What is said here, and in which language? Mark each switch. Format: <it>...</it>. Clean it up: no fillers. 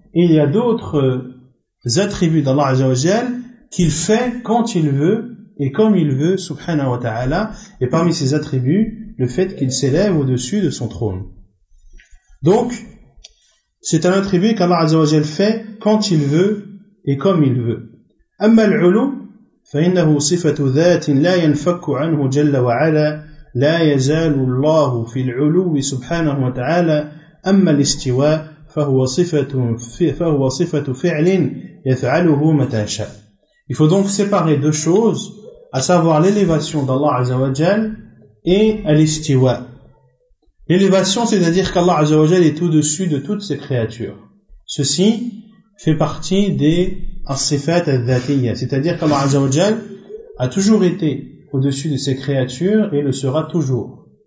<fr>Et il y a d'autres attributs d'Allah Azza wa Jal qu'il fait quand il veut et comme il veut, subhanahu wa ta'ala, et parmi ses attributs, le fait qu'il s'élève au-dessus de son trône. Donc, c'est un attribut qu'Allah Azza wa Jal fait quand il veut et comme il veut.</fr> <ar>أما العلو فإنه صفة ذات لا ينفك عنه جل وعلا لا يزال الله في العلو سبحانه وتعالى أما الاستواء فهو صفة فعل يفعله متى شاء.</ar> <fr>Il faut donc séparer deux choses, à savoir l'élévation d'Allah Azza wa Jal et l'istiwa. L'élévation, c'est-à-dire qu'Allah Azza wa Jal est au-dessus de toutes ses créatures. Ceci fait partie des as-sifat al-dhatiyya, c'est-à-dire qu'Allah Azza wa Jal a toujours été au-dessus de ses créatures et le sera toujours.</fr>